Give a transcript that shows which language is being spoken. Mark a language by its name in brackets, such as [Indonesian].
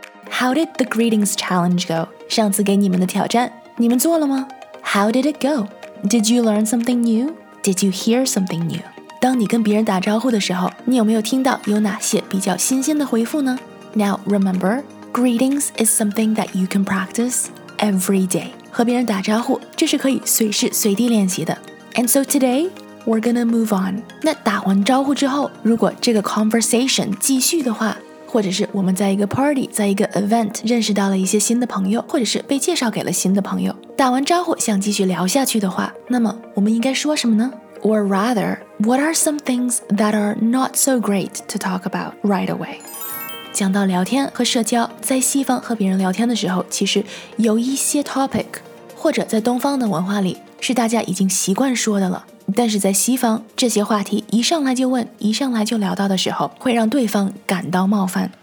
[English] How did the greetings challenge go? [Chinese] 上次给你们的挑战，你们做了吗？ [English] How did it go? Did you learn something new? Did you hear something new? [Chinese] 当你跟别人打招呼的时候，你有没有听到有哪些比较新鲜的回复呢？ [English] Now remember, greetings is something that you can practice every day. [Chinese] 和别人打招呼，这是可以随时随地练习的。 [English] And so today, we're gonna move on. [Chinese] 那打完招呼之后，如果这个 conversation 继续的话，或者是我们在一个 party, 在一个 event 认识到了一些新的朋友，或者是被介绍给了新的朋友，打完招呼想继续聊下去的话，那么我们应该说什么呢？ [English] Or rather, what are some things that are not so great to talk about right away? [Chinese] 讲到聊天和社交，在西方和别人聊天的时候，其实有一些 topic, 或者在东方的文化里，是大家已经习惯说的了。但是在西方，这些话题一上来就问，一上来就聊到的时候，会让对方感到冒犯。